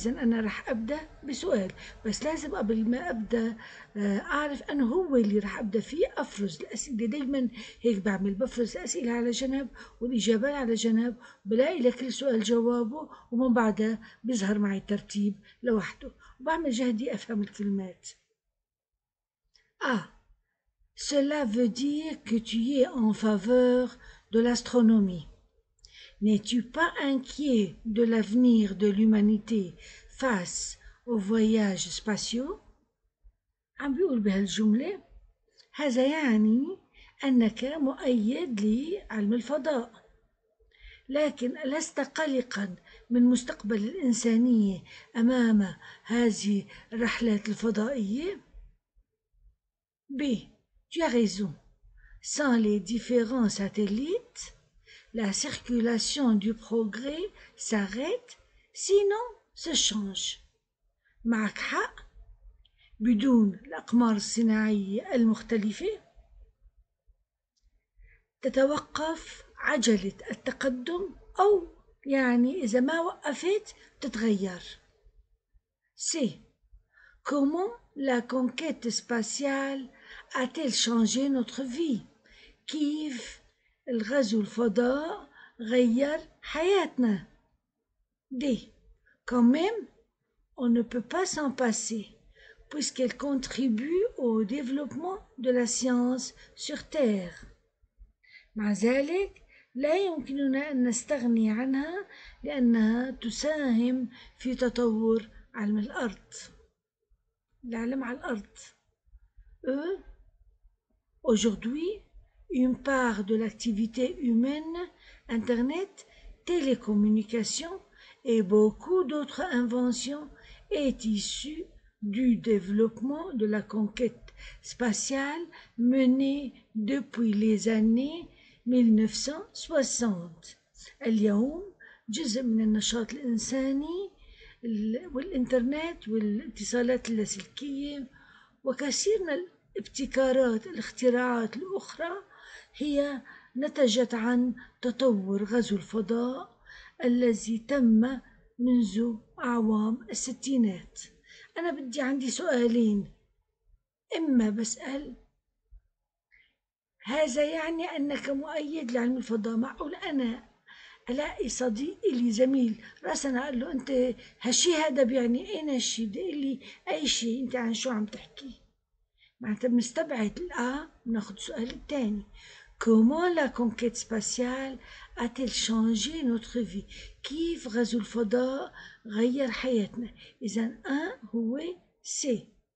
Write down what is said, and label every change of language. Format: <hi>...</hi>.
<ar>إذن أنا رح أبدأ بسؤال، بس لازم قبل ما أبدأ أعرف أنه هو اللي رح أبدأ فيه. أفرز الأسئلة دايما هيك بعمل، بفرز الأسئلة على جنب والإجابات على جنب، بلاقي لكل سؤال جوابه ومن بعدها بيظهر معي الترتيب لوحده، وبعمل جهدي أفهم الكلمات.</ar> <fr>Cela veut dire que tu y es en faveur de l'astronomie. N'es-tu pas inquiet de l'avenir de l'humanité face aux voyages spatiaux?</fr> <ar>عم بيقول بهالجملة هذا يعني أنك مؤيد لعلم الفضاء، لكن ألست قلقا من مستقبل الإنسانية أمام هذه الرحلات الفضائية؟ B.</ar> <fr>Tu as raison. Sans les différents satellites, la circulation du progrès s'arrête, sinon se change.</fr> <ar>معك حق، بدون الأقمار الصناعية المختلفة تتوقف عجلة التقدم، أو يعني إذا ما وقفت تتغير. C.</ar> <fr>Comment la conquête spatiale a-t-elle changé notre vie?</fr> <ar>كيف الغزو الفضاء غير حياتنا؟ D.</ar> <fr>Quand même, on ne peut pas s'en passer, puisqu'elle contribue au développement de la science sur Terre.</fr> <ar>مع ذلك لا يمكننا أن نستغني عنها لأنها تساهم في تطور علم الأرض. العلم على الأرض. E.</ar> <fr>Aujourd'hui, une part de l'activité humaine, Internet, télécommunication et beaucoup d'autres inventions est issue du développement de la conquête spatiale menée depuis les années 1960.</fr> <ar>اليوم جزء من النشاط الإنساني والإنترنت والاتصالات اللاسلكية وكثير من ابتكارات الاختراعات الأخرى هي نتجت عن تطور غزو الفضاء الذي تم منذ أعوام الستينات. أنا بدي عندي سؤالين، إما بسأل هذا يعني أنك مؤيد لعلم الفضاء، معقول أنا ألاقي صديق إلي زميل رأسا أقول له أنت هالشي هذا بيعني أين هالشي، بدي لي أي شي أنت عن شو عم تحكي؟ معناتها بنستبعد الآ، بناخد السؤال الثاني.</ar> <fr>Comment la conquête spatiale a-t-elle changé notre vie?</fr> <ar>كيف غزو الفضاء غير حياتنا؟ إذا أن هو سي.</ar>